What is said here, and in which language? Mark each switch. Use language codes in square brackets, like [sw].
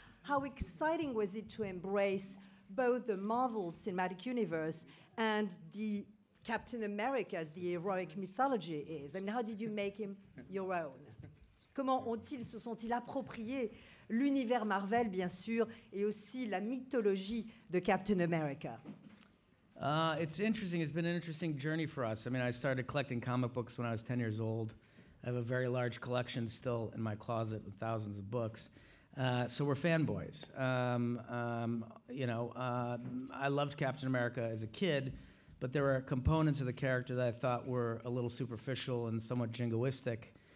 [en] How exciting was it to embrace both the Marvel Cinematic Universe and the Captain America as the heroic mythology is? I mean, how did you make him your own? [fr] Comment ont-ils, se sont-ils appropriés l'univers Marvel, bien sûr, et aussi la mythologie de Captain America? [en] It's interesting. It's been an interesting journey for us. I mean, I started collecting comic books when I was 10 years old. I have a very large collection still in my closet with thousands of books. So we're fanboys. I loved Captain America as a kid, but there were components of the character that I thought were a little superficial and somewhat jingoistic.